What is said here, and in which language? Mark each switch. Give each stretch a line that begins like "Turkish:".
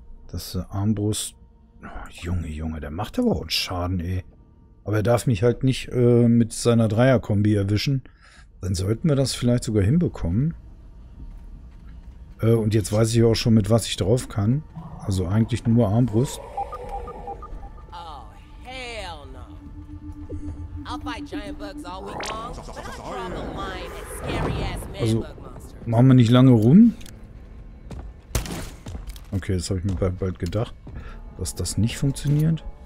German: Das Armbrust. Junge, Junge, der macht aber auch Schaden, ey. Aber er darf mich halt nicht mit seiner Dreierkombi erwischen. Dann sollten wir das vielleicht sogar hinbekommen. Und jetzt weiß ich auch schon, mit was ich drauf kann. Also eigentlich nur Armbrust.
English: Oh, hell no. I'll fight giant bugs all week long, but I draw the line at scary ass man bug monster.
German: Also, machen wir nicht lange rum. Okay, das habe ich mir bald gedacht. Dass das nicht funktioniert.